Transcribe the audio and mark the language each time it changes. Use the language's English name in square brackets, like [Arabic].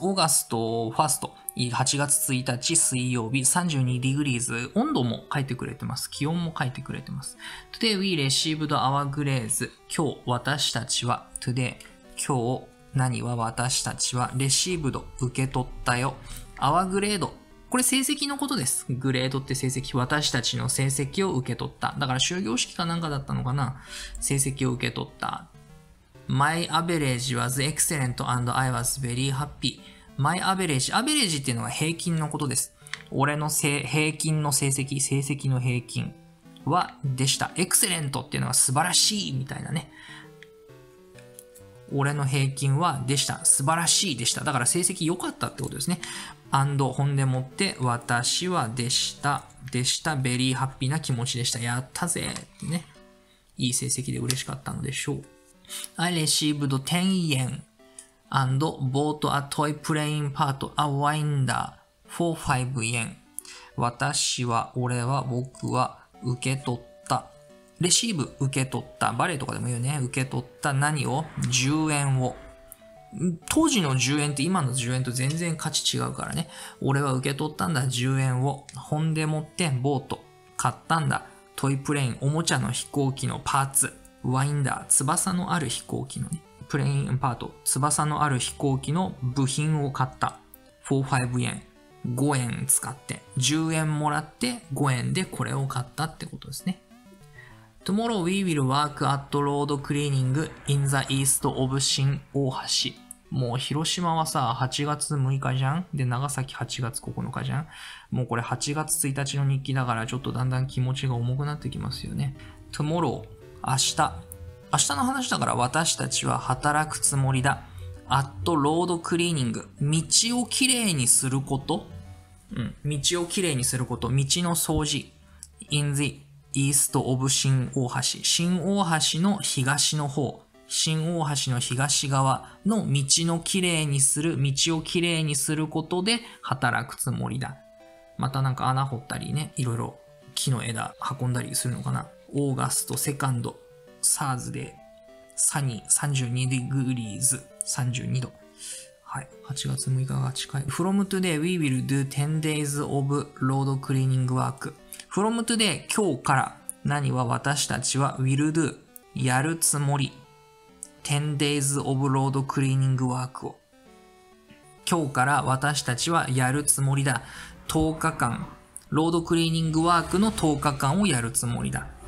[English] オーガスト、ファースト、 [Japanese] 8月1日水曜日、 [English] 32ディグリーズ、 [Japanese] 温度も書いてくれてます。気温も書いてくれてます。 [English] Today we received our grades。 [Japanese] 今日私たちは、Today、今日何は私たちは、received、受け取ったよ。 [English] our grade、 [Japanese] これ成績のことです。グレードって成績、私たちの成績を受け取った。だから終業式かなんかだったのかな。成績を受け取った。 [English] My average was excellent and I was very happy. My average、 [Japanese] アベレージっていうのは平均のことです。俺の平均の成績、成績の平均はでした。 excellent っていうのは素晴らしいみたいなね。俺の平均はでした。素晴らしいでした。だから成績良かったってことですね。アンド、本でもって、私はでした。でした。ベリーハッピーな気持ちでした。やったぜ。ってね。いい成績で嬉しかったのでしょう。 [English] I received 10 yen and bought a toy playing part, a winder for 5 yen. [Japanese] 私は、俺は、僕は、受け取った。レシーブ、受け取った。バレーとかでも言うね。受け取った何を ?10 円を。当時の10円って今の10円と全然価値違うからね。俺は受け取ったんだ、10円を。本でもって、ボート。買ったんだ。トイプレイン、おもちゃの飛行機のパーツ。ワインダー、翼のある飛行機のね。プレインパート。翼のある飛行機の部品を買った。4、5円。 5円使って。10円もらって、5円でこれを買ったってことですね。 [English] Tomorrow we will work at road cleaning in the east of 新大橋。 [Japanese] もう広島はさ、8月6日じゃん?で、長崎8月9日じゃん? もうこれ8月1日の日記だからちょっとだんだん気持ちが重くなってきますよね。 Tomorrow、明日の話だから私たちは働くつもりだ。 [English] at road cleaning、 [Japanese] 道をきれいにすること? うん、道をきれいにすること。道の掃除。 [English] in theイーストオブ [Japanese] 新大橋。新大橋の東の方。新大橋の東側の道のきれいにする、道をきれいにすることで働くつもりだ。またなんか穴掘ったりね、いろいろ木の枝運んだりするのかな。 [English] オーガスト、セカンド、サーズで、サニー、32ディグリーズ、32度。 [Japanese] はい。8月6日が近い。 [English] From today, we will do 10 days of road cleaning work. From today, [Japanese] 今日から何は私たちは [English] will do [Japanese] やるつもり [English] 10 days of road cleaning work [Japanese] を今日から私たちはやるつもりだ10日間ロードクリーニングワークの10日間をやるつもりだ